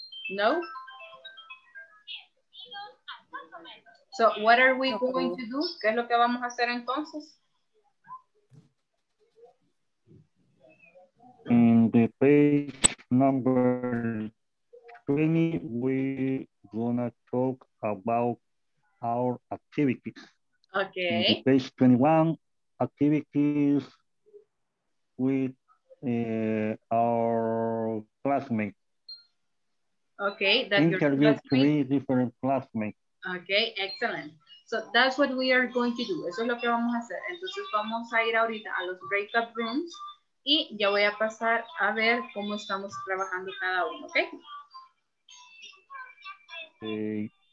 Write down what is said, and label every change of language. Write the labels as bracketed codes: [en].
[en] No. So, what are we going to do? [es] ¿Qué es lo que vamos a hacer entonces? [en] In the page number 20, we're gonna talk about our activities. Okay. In the page 21, activities with our classmates. Okay, that's interview three different classmates. Okay, excellent. So that's what we are going to do. [es] Eso es lo que vamos a hacer. Entonces vamos a ir ahorita a los breakout rooms. Y ya voy a pasar a ver cómo estamos trabajando cada uno, ¿ok?